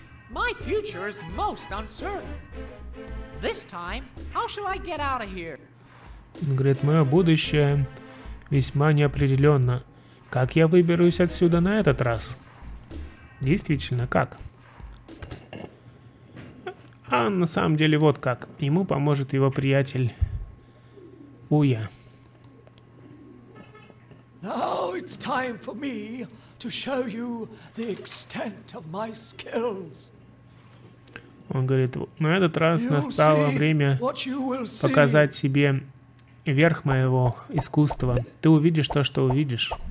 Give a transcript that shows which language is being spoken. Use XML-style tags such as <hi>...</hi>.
<en>My future is most uncertain. This time, how shall I get out of here?</en> <ru>Он говорит, мое будущее весьма неопределенно. Как я выберусь отсюда на этот раз? Действительно, как? А на самом деле вот как. Ему поможет его приятель Уя.</ru> <en>Now it's time for me to show you the extent of my skills.</en> <ru>Он говорит, на этот раз настало время показать себе верх моего искусства. Ты увидишь то, что увидишь.</ru>